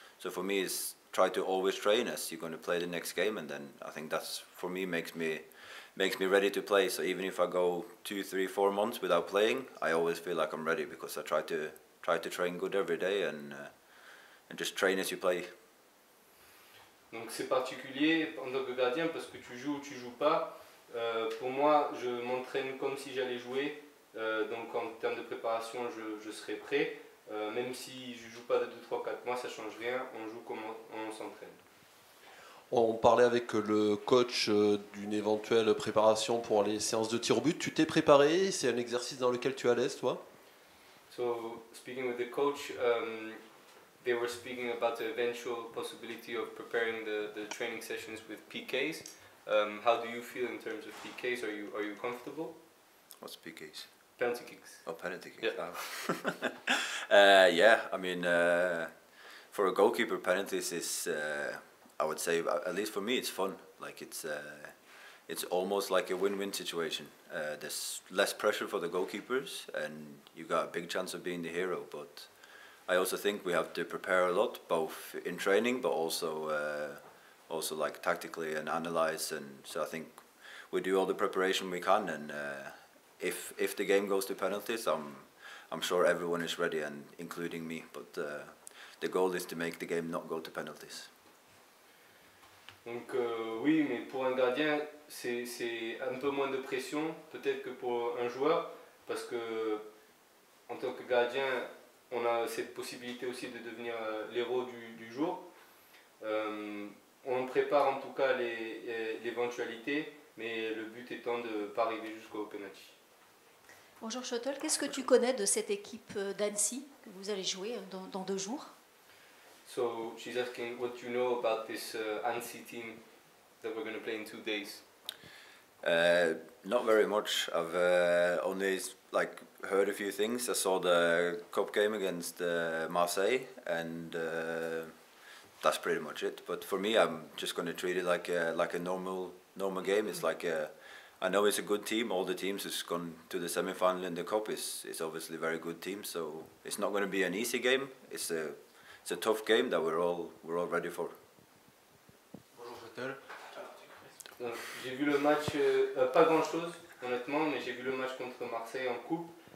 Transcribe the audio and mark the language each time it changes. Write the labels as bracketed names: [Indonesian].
[English] So for me, it's try to always train as you're going to play the next game. And then I think that's, for me, makes me ready to play. So even if I go 2, 3, 4 months without playing, I always feel like I'm ready because I try to train good every day and just train as you play. [French] Donc c'est particulier en tant que gardien parce que tu joues ou tu joues pas. Pour moi, je m'entraîne comme si j'allais jouer. Donc en termes de préparation, je serai prêt. Même si je ne joue pas de 2, 3, 4 mois, ça ne change rien. On joue comme on s'entraîne. On parlait avec le coach d'une éventuelle préparation pour les séances de tir au but. Tu t'es préparé? C'est un exercice dans lequel tu es à l'aise, toi? [English] So, speaking with the coach, they were speaking about the eventual possibility of preparing the training sessions with PKs. How do you feel in terms of PKs? Are you comfortable? What's PKs? Penalty kicks. Oh, penalty kicks. Yeah. Yeah, I mean, for a goalkeeper, penalties is, I would say, at least for me, it's fun. Like, it's almost like a win-win situation. There's less pressure for the goalkeepers, and you got a big chance of being the hero. But I also think we have to prepare a lot, both in training, but also like tactically and analyze. And so I think we do all the preparation we can, and If the game goes to penalties, I'm sure everyone is ready, and including me. But the goal is to make the game not go to penalties. [French] Donc oui, mais pour un gardien, c'est un peu moins de pression, peut-être que pour un joueur, parce que en tant que gardien, on a cette possibilité aussi de devenir l'héros du jour. On prépare en tout cas l'éventualité, mais le but étant de ne pas arriver jusqu'au penalty. Bonjour Kjetil, qu'est-ce que tu connais de cette équipe d'Annecy que vous allez jouer dans deux jours? [English] So she's asking what you know about this Annecy team that we're going to play in 2 days. Not very much. I've only like heard a few things. I saw the cup game against Marseille, and that's pretty much it. But for me, I'm just going to treat it like a normal game. It's like I know it's a good team. All the teams that's gone to the semi-final in the cup is obviously a very good team. So it's not going to be an easy game. It's a tough game that we're all ready for. [French] Bonjour, Kjetil. J'ai vu le match, pas grand chose honnêtement, mais j'ai vu le match contre Marseille en coupe.